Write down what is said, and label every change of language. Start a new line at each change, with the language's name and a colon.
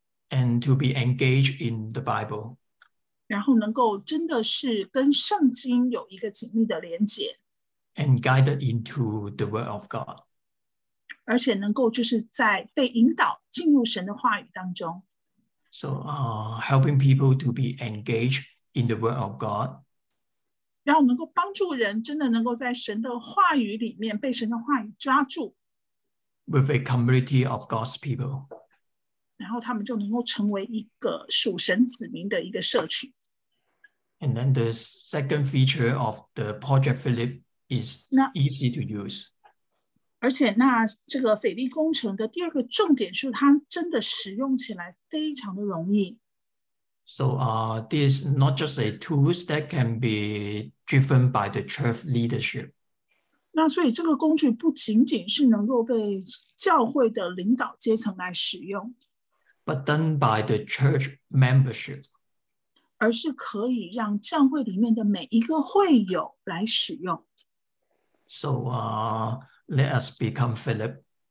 English: and to be engaged in the Bible
Chinese: 然后能够真的是跟圣经有一个紧密的连结
English: and guided into the word of God
Chinese: 而且能够就是在被引导进入神的话语当中
English: so helping people to be engaged in the word of God
Chinese: 让我们能够帮助人真的能够在神的话语里面被神的话语抓住
English: with a community of God's people
Chinese: 然后他们就能够成为一个属神子民的一个社区
English: and then the second feature of the Project Philip is easy to use
Chinese: 而且那这个腓力工程的第二个重点是它真的使用起来非常的容易
English: So, this is not just a tool that can be driven by the church leadership.
Chinese: 那所以这个工具不仅仅是能够被教会的领导阶层来使用
English: ，but done by the church membership，
Chinese: 而是可以让教会里面的每一个会友来使用。
English: So let us become Philip。